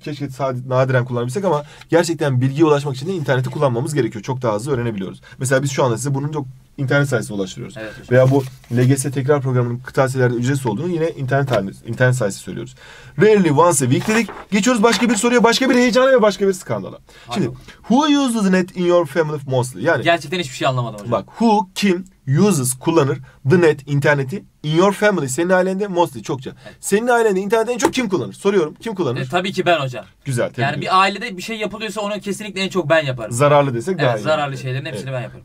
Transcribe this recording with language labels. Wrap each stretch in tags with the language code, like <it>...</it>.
<tr>Keşke sadece nadiren kullanabilsek ama gerçekten bilgiye ulaşmak için de interneti kullanmamız gerekiyor. Çok daha hızlı öğrenebiliyoruz. Mesela biz şu anda size bunun çok internet sayesinde ulaştırıyoruz. Evet, veya bu LGS tekrar programının kıtasiyelerde ücretsiz olduğunu yine internet sayesinde söylüyoruz.</tr> <en>Rarely once a week</en> <tr>dedik. Geçiyoruz başka bir soruya, başka bir heyecana ve başka bir skandala. Aynen.</tr> <en>Şimdi who uses net in your family mostly?</en> <tr>Yani gerçekten hiçbir şey anlamadım hocam. Bak</tr> <en>who,</en> <tr>kim,</tr> <en>uses,</en> <tr>kullanır</tr> <en>the net,</en> <tr>interneti</tr> <en>in your family,</en> <tr>senin ailende</tr> <en>mostly,</en> <tr>çokça. Evet. Senin ailende interneti en çok kim kullanır? Soruyorum, kim kullanır? Tabii ki ben hocam. Güzel, tebrik ederim. Yani bir ailede bir şey yapılıyorsa onu kesinlikle en çok ben yaparım. Zararlı desek daha iyi. Evet, zararlı şeylerin hepsini ben yaparım.</tr>